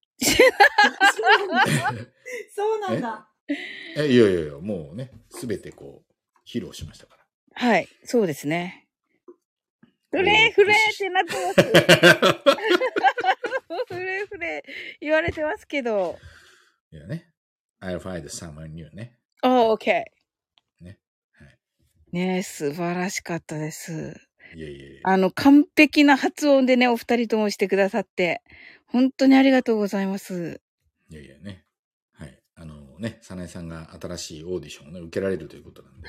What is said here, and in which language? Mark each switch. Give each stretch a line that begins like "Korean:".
Japanese: そうなんだ。そうなんだ。え、いやいやいや、もうね、すべてこう、披露しましたから。はい、そうですね。フレーフレーってなってます。フレーフレー言われてますけど。いやね、
English: I'll find someone new
Japanese: ね。おー、OK。ね、はい。ね、素晴らしかったです。いやいやいや。あの、完璧な発音でね、お二人ともしてくださって、本当にありがとうございます。いやいやね。ね、早苗さんが新しいオーディションを、ね、受けられるということなんで、